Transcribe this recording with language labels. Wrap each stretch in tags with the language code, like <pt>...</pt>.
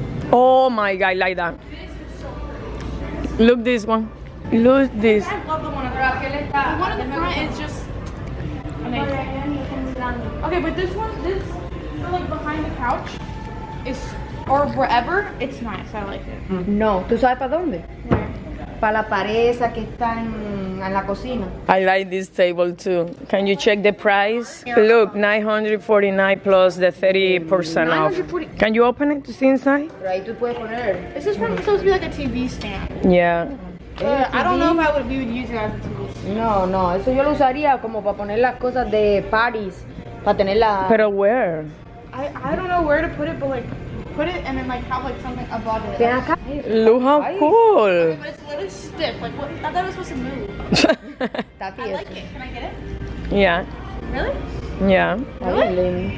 <en>Oh my God, like that. Look this one. Look this. The one in the front is just amazing. Okay, but this one, this, like behind the couch, is, or wherever, it's nice. I like it.</en> <es>No, ¿tú sabes para dónde? Para la pared esa que está en la cocina.</es> <en>I like this table too. Can you check the price? Look, $949 plus the 30% off. Can you open it to see inside?</en> <es>Right, tú puedes poner.</es> <en>This is from, supposed to be like a TV stand. Yeah. But I don't know if I would, we would use it as a TV stand.</en> <es>No, no. Eso yo lo usaría como para poner las cosas de parties. Para tener la... Pero</es> <en>where? I don't know where to put it, but like... Put it and then like have like something above it. Yeah, look how cool. Okay, but it's really stiff. Like what? I thought it was supposed to move. I like it. Can I get it? Yeah. Really? Yeah. Really?</en>